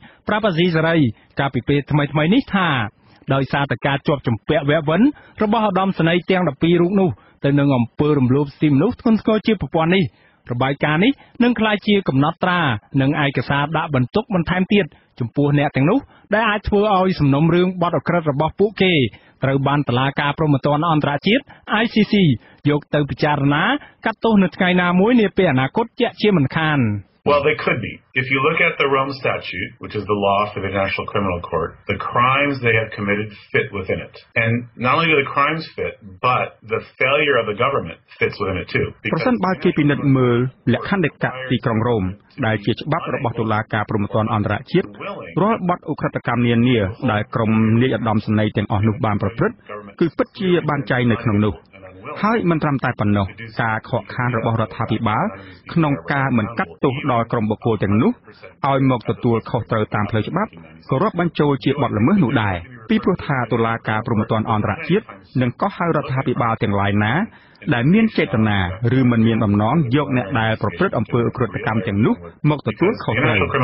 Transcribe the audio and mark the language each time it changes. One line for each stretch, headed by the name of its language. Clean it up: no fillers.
Khmer: ជនបរទេសបោះមកចង្អុលជនជាតិរបស់ខ្ញុំខោចេះខោចោះទៅណែឯងចង្អុលប្រធានាទៅប្រៃណែឯងទៅកុំមកចង្អុលអ្នកដឹកនាំខ្មែរឬមេតបខ្មែរមេប៉ូលីសខ្មែរមេប្រអមខ្មែរកុំមកចង្អុលគឺគ្មានសិទ្ធិទេលោកប្រេតអាដាមស៍នាយកប្រតិបត្តិទទួលបន្ទុកតំបន់អាស៊ីនៃអង្គការឃ្លាំមើលស្ទីមនុស្សហ្យូមិនរៃត៍វ៉ាច់ប្រាប់អាស៊ីសេរីកាលពីពេលថ្មីៗនេះថា ដោយសារតកាជាប់ចំពាក់វែកវិនរបស់អាដាមស្នៃទាំងដល់ពីររូបនោះទៅនឹងអំពើរំលោភសិទ្ធិមនុស្សធ្ងន់ធ្ងរជាប្រព័ន្ធនេះរបាយការណ៍នេះនឹងក្លាយជាកំណត់ត្រានិងឯកសារដាក់បន្ទុកបន្ថែមទៀតចំពោះអ្នកទាំងនោះដែលអាចធ្វើឲ្យសំណុំរឿងបទឧក្រិដ្ឋរបស់ពួកគេត្រូវបានតុលាការប្រមត្តនអន្តរជាតិ ICC យកទៅពិចារណាកាត់ទោសនៅថ្ងៃណាមួយនាពេលអនាគតជាក់ជាមិនខាន
English: Well, they could be. If you look at the Rome Statute, which is the law for the International Criminal Court, the crimes they have committed fit within it. And not only do the crimes fit, but the failure of the government fits within it too.
Khmer: ប្រសិនបើគេពិនិត្យមើលលក្ខណ្ឌិកៈទីក្រុងរ៉ូម ដែលជាច្បាប់របស់តុលាការប្រមត្តនអន្តរជាតិរាល់បទឧក្រិដ្ឋកម្មនានាដែលក្រុមនាយឧត្តមសេនីយ៍ទាំងអស់នោះបានប្រព្រឹត្តគឺពិតជាបានចែងនៅក្នុងនោះ ហើយមិនត្រឹមតែប៉ុណ្ណោះការខកខានរបស់រដ្ឋាភិបាលក្នុងការមិនកាត់ទោសដល់ក្រុមបុគ្គលទាំងនោះឲ្យមកទទួលខុសត្រូវតាមផ្លូវច្បាប់ក៏រាប់បញ្ចូលជាបទល្មើសនោះដែរពីព្រោះថាតុលាការប្រមត្តនអន្តរជាតិនឹងកោះហៅរដ្ឋាភិបាលទាំងឡាយណាដែលមានចេតនាឬមិនមានបំណងយកអ្នកដែលប្រព្រឹត្តអំពើឧក្រិដ្ឋកម្មទាំងនោះមកទទួលខុសត្រូវ